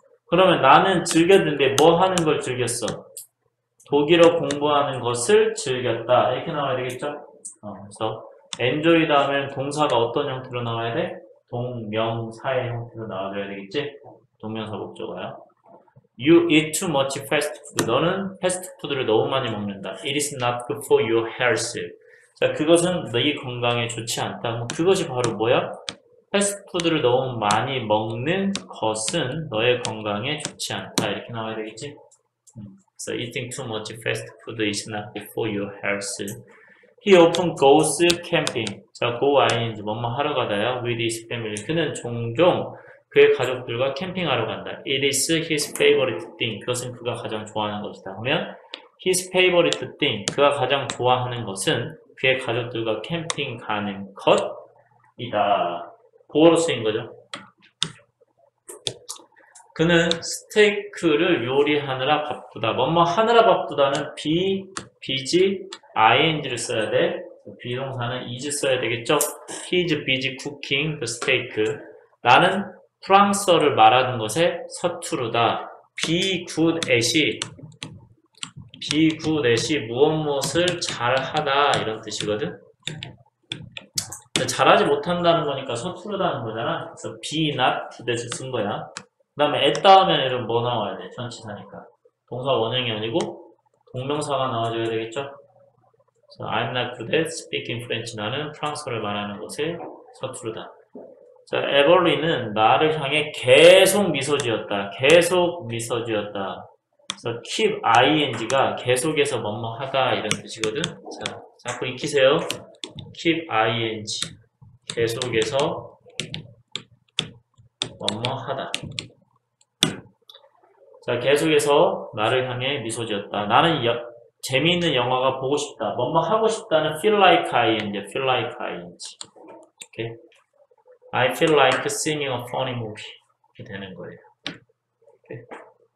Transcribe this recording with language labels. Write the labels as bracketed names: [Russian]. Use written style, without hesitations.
[Korean] 그러면 나는 즐겼는데 뭐 하는 걸 즐겼어? 독일어 공부하는 것을 즐겼다. 이렇게 나와야 되겠죠? 그래서 enjoy 다음엔 동사가 어떤 형태로 나와야 돼? 동명사의 형태로 나와줘야 되겠지? 동명사 목적어요. [English] You eat too much fast food. [Korean] 너는 패스트푸드를 너무 많이 먹는다. [English] It is not good for your health. [Korean] 자, 그것은 너의 건강에 좋지 않다. 뭐 그것이 바로 뭐야? 패스트푸드를 너무 많이 먹는 것은 너의 건강에 좋지 않다. 이렇게 나와야 되겠지? [English] So eating too much fast food is not good for your health. He often goes camping. [Korean] 자, [English] go ing. [Korean] 뭐뭐 하러 가다야? [English] With his family. [Korean] 그는 종종 그의 가족들과 캠핑하러 간다. [English] It is his favorite thing. [Korean] 그것은 그가 가장 좋아하는 것이다. 그러면 [English] his favorite thing. [Korean] 그가 가장 좋아하는 것은 그의 가족들과 캠핑 가는 것이다. 고어로 쓰인 거죠. 그는 스테이크를 요리하느라 바쁘다. 뭐뭐 하느라 바쁘다는 be, busy, ing를 써야 돼. be동사는 is 써야 되겠죠. [English] He is busy cooking the steak. [Korean] 나는 프랑스어를 말하는 것에 서투르다. be good at이. be good at이 무엇무엇을 잘하다 이런 뜻이거든. 잘하지 못한다는 거니까 서투르다는 거잖아. 그래서 be not 대신 쓴 거야. 그 다음에 at 다음에는 이런 뭐 나와야 돼? 전치사니까 동사 원형이 아니고 동명사가 나와줘야 되겠죠? [English] So I'm not good at speaking French. [Korean] 나는 프랑스어를 말하는 것에 서투르다. 자, 에벌리는 나를 향해 계속 미소 지었다. 계속 미소 지었다. 그래서 keep ing가 계속해서 뭐뭐 하다 이런 뜻이거든. 자, 자꾸 익히세요. keep ing 계속해서 뭐뭐 하다. 자, 계속해서 나를 향해 미소 지었다. 나는 재미있는 영화가 보고 싶다. 뭐뭐 하고 싶다는 feel like ing, feel like ing. 이렇게 [English] I feel like seeing a funny movie. [Korean] 이렇게 되는 거예요. 오케이.